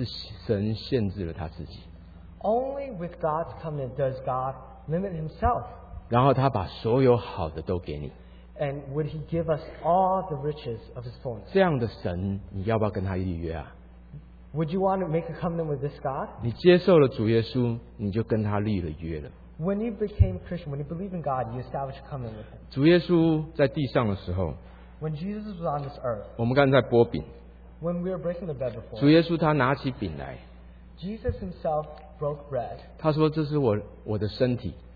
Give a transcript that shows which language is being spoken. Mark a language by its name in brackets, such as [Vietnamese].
[Chinese] 只有我们神给我们的约是神限制了他自己。 [English] Only with God's covenant does God limit himself. [Chinese] 然后他把所有好的都给你。 [English] And would he give us all the riches of his fullness? [Chinese] 这样的神你要不要跟他立约啊? [English] Would you want to make a covenant with this God? [Chinese] 你接受了主耶稣, 你就跟他立了约了。 [English] When you became Christian, when you believe in God, you established a covenant with him. [Chinese] 主耶稣在地上的时候, [English] when Jesus was on this earth, [Chinese] 我们刚才播饼, [English] when we were breaking the bread before, [Chinese] 主耶稣他拿起饼来, [English] Jesus himself broke bread. [Chinese] 他说这是我的身体,